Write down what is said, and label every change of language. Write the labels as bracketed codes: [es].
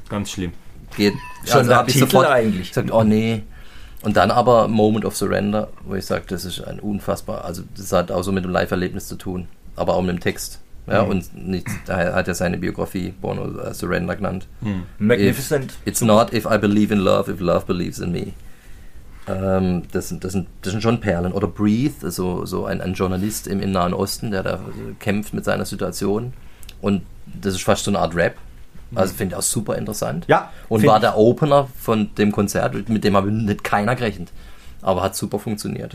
[de] Ganz schlimm. Geht schon also, da hab ich sofort eigentlich. Gesagt, oh nee. Und dann aber Moment of Surrender, wo ich sage, das ist ein unfassbar, also das hat auch so mit dem Live-Erlebnis zu tun, aber auch mit dem Text. Ja, und nicht, da hat er seine Biografie Bono Surrender genannt. Magnificent. [en] It's not if I believe in love, if love believes in me. [de] Das sind schon Perlen. Oder Breathe, also so ein Journalist im Nahen Osten, der da kämpft mit seiner Situation. Und das ist fast so eine Art Rap. Also finde ich auch super interessant. Ja. Und war der Opener von dem Konzert, mit dem habe nicht keiner gerechnet. Aber hat super funktioniert.